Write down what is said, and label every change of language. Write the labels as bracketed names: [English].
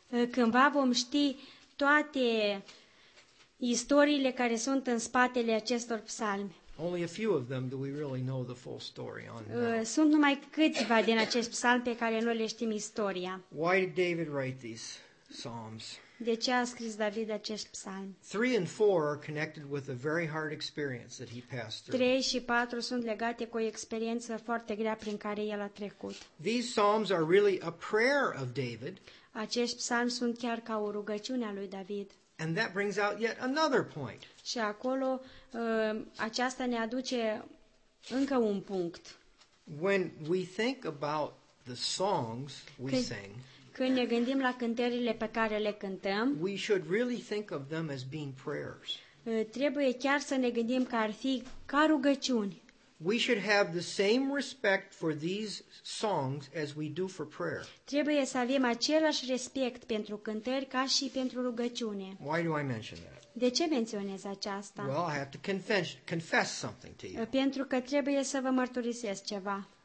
[Romanian] Cândva vom ști toate istoriile care sunt în spatele acestor psalmi. [English] Only a few of them do we really know the full story on. [Romanian] Sunt numai câțiva din acești psalmi pe care noi le știm istoria. [English] Why did David write these psalms? [Romanian] De ce a scris David acest psalm? [English] 3 and 4 are connected with a very hard experience that he passed through. [Romanian] 3 și 4 sunt legate cu o experiență foarte grea prin care el a trecut. [English] These psalms are really a prayer of David. [Romanian] Acești psalmi sunt chiar ca o rugăciune a lui David. [English] And that brings out yet another point. [Romanian] Și acolo aceasta ne aduce încă un punct. [English] When we think about the songs we sing. [Romanian] Când ne gândim la cântările pe care le cântăm, [English] we should really think of them as being prayers. [Romanian] Trebuie chiar să ne gândim că ar fi ca rugăciuni. [English] We should have the same respect for these songs as we do for prayer. [Romanian] Trebuie să avem același respect pentru cântări ca și pentru rugăciune. [English] Why do I mention that? [Romanian] De ce menționez aceasta? [English] Well, I have to confess something to you. [Romanian] Pentru că trebuie să vă mărturisesc ceva.